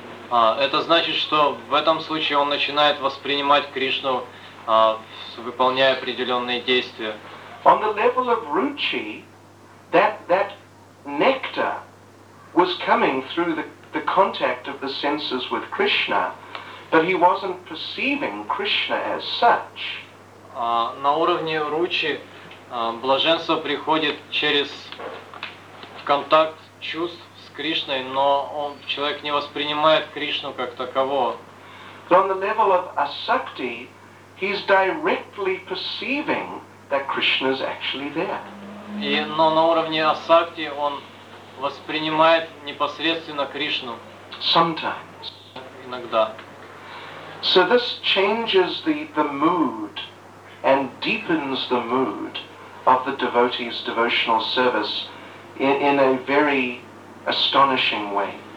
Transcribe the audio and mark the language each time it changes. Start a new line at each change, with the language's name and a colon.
Russian: Это значит, что в этом случае он начинает воспринимать Кришну, выполняя определенные действия.
English: On the level of ruchi, that nectar was coming through the contact of the senses with Krishna, but he wasn't perceiving Krishna as such.
Russian: На уровне ручи блаженство приходит через контакт чувств с Кришной, но человек не воспринимает Кришну как такового.
English: On the level of asakti, he's directly perceiving that Krishna is actually there.
Russian: Но на уровне асакти он воспринимает непосредственно Кришну.
English: Sometimes.
Russian: Иногда.
English: So this changes the mood and deepens the mood of the devotee's devotional service in a very astonishing way.